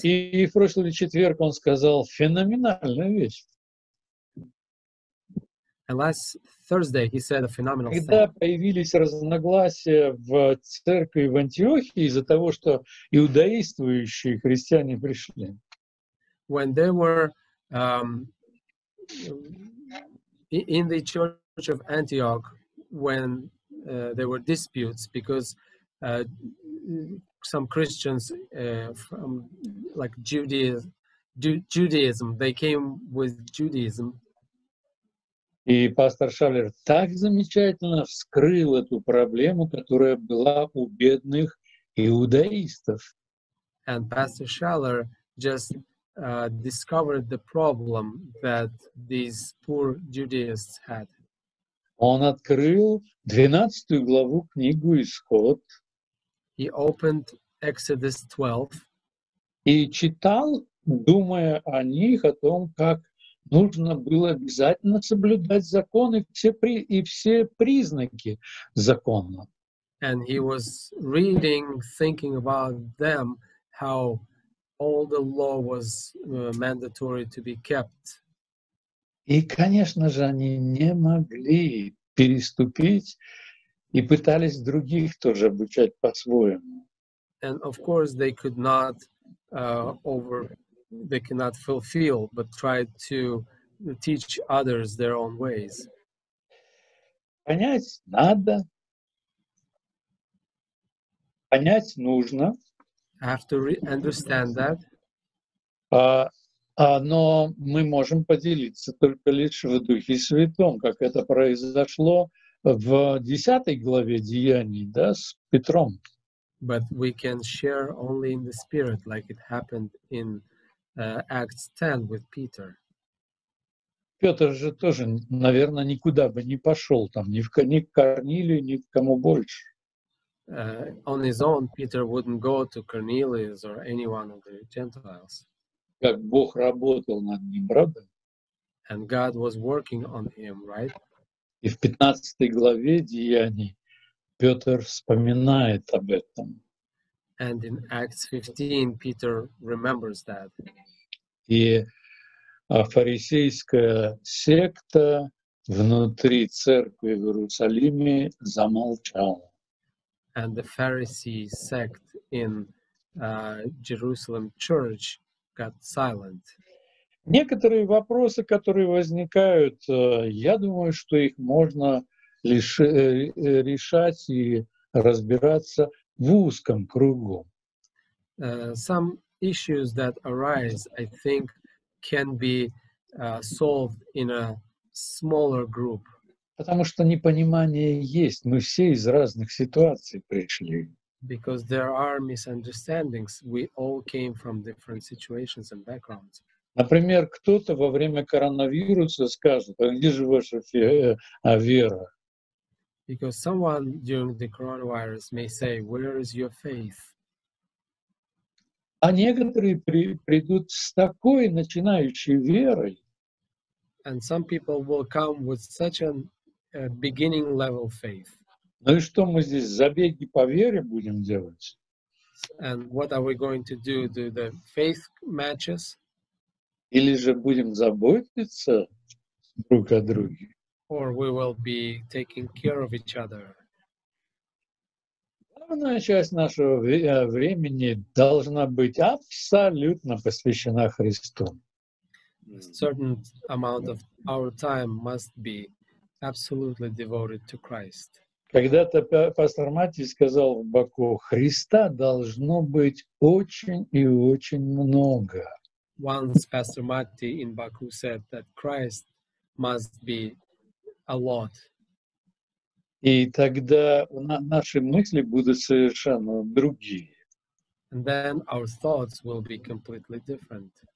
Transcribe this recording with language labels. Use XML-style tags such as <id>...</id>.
<ru>И в прошлый четверг он сказал феноменальную вещь.</ru> <en>And last Thursday he said a phenomenal thing.</en> <ru>Когда появились разногласия в церкви в Антиохии из-за того, что иудаиствующие христиане пришли.</ru> <en>When they were in the church of Antioch when there were disputes because some Christians from like Judaism they came with Judaism</en> <ru>И пастор Шавлер так замечательно вскрыл эту проблему, которая была у бедных иудаистов.</ru> <en>And Pastor Schaller just discovered the problem that these poor Judaists had.</en> <ru>Он открыл 12 главу книгу Исход.</ru> <en>He opened Exodus 12.</en> <ru>И читал, думая о них, о том, как нужно было обязательно соблюдать закон и все признаки закона.</ru> <en>And he was reading, thinking about them, how all the law was mandatory to be kept.</en> <ru>И, конечно же, они не могли переступить и пытались других тоже обучать по-своему.</ru> <en>And of course they could not they cannot fulfill, but try to teach others their own ways.</en> <ru>Понять надо. Понять нужно.</ru> <en>I have to understand that.</en> <ru>Но мы можем поделиться только лишь в Духе Святом, как это произошло в 10 главе Деяний, да, с Петром.</ru> <en>But we can share only in the Spirit, like it happened in Acts 10 with Peter.</en> <ru>Петр же тоже, наверное, никуда бы не пошел там, ни к Корнилию, ни к кому больше.</ru> <en>On his own, Peter wouldn't go to Cornelius or anyone of the Gentiles.</en> <ru>Как Бог работал над ним, правда?</ru> <en>And God was working on him, right?</en> <ru>И в 15 главе Деяний Петр вспоминает об этом.</ru> <en>And in Acts 15, Peter remembers that.</en> <ru>И фарисейская секта внутри церкви в Иерусалиме замолчала.</ru> <en>And the Pharisee sect in Jerusalem church got silent.</en> <ru>Некоторые вопросы, которые возникают, я думаю, что их можно решать и разбираться в узком кругу.</ru> <en>Some issues that arise, I think, can be solved in a smaller group.</en> <ru>Потому что непонимание есть. Мы все из разных ситуаций пришли.</ru> <en>Because there are misunderstandings. We all came from different situations and backgrounds.</en> <ru>Например, кто-то во время коронавируса скажет, а где же ваша вера?</ru> <en>Because someone during the coronavirus may say, where is your faith?</en> <ru>А некоторые придут с такой начинающей верой.</ru> <en>And some people will come with such an beginning level faith.</en> <ru>Ну и что мы здесь забеги по вере будем делать?</ru> <en>And what are we going to do? Do the faith matches?</en> <ru>Или же будем заботиться друг о друге?</ru> <en>Or we will be taking care of each other.</en> <ru>Главная часть нашего времени должна быть абсолютно посвящена Христу.</ru> <en>A certain amount of our time must be absolutely devoted to Christ.</en> <ru>Когда-то пастор Мати сказал в Баку, Христа должно быть очень и очень много.</ru> <en>Once Pastor Mati in Baku said that Christ must be a lot.</en> <ru>И тогда наши мысли будут совершенно другие.</ru> <en>And then our thoughts will be completely different.</en>